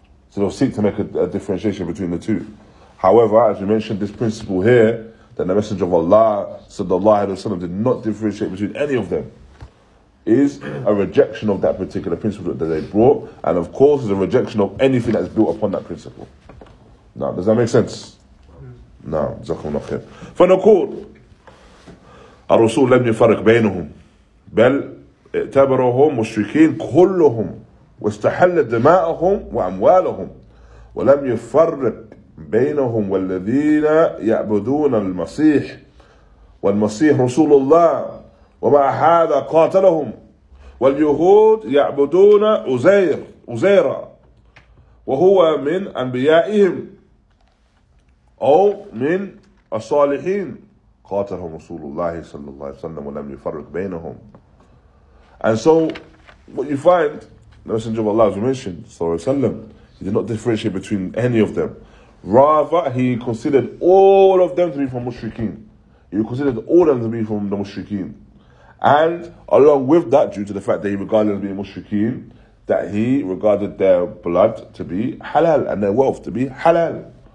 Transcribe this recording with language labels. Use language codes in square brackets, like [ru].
[en] So they'll seek to make a differentiation between the two. However, as we mentioned, this principle here, that the Messenger of Allah, sallallahu alayhi wa sallam, did not differentiate between any of them, is a rejection of that particular principle that they brought, and of course is a rejection of anything that is built upon that principle. Now, does that make sense? No. Jazakum Allah khair. [ar] فنقول الرسول لم يفرق بينهم بل اعتبرهم مشركين كلهم واستحل دماءهم وأموالهم ولم يفرق بينهم والذين يعبدون المسيح والمسيح رسول الله ومع هذا قاتلهم واليهود يعبدون عزيرا وهو من أنبيائهم أو من الصالحين قاتلهم رسول الله صلى الله عليه وسلم ولم يفرق بينهم. [en] And so what you find, the Messenger of Allah, as we mentioned, صلى الله عليه وسلم, he did not differentiate between any of them. Rather, he considered all of them to be from mushrikeen. He considered all of them to be from the mushrikeen. And along with that, due to the fact that he regarded them to be mushrikeen, that he regarded their blood to be halal and their wealth to be halal.